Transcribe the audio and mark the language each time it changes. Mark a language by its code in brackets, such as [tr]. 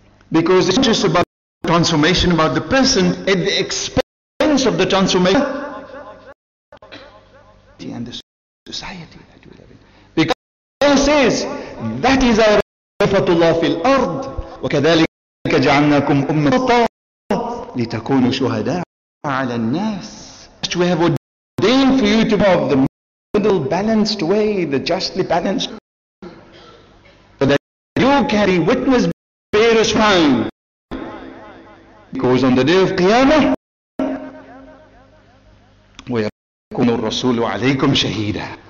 [en] Because it's not just about transformation, about the person, at the expense of the transformation and the society that we live in. Because Allah says, that is our rafatullah fil ard. [ar] وكذلك جعلناكم أمة لتكونوا شهداء على الناس. [en] We have ordained for you to be of the middle balanced way, the justly balanced, so that you can be witness bearers fine. Because on the day of Qiyamah, [ar] ويكون الرسول عليكم شهيدا.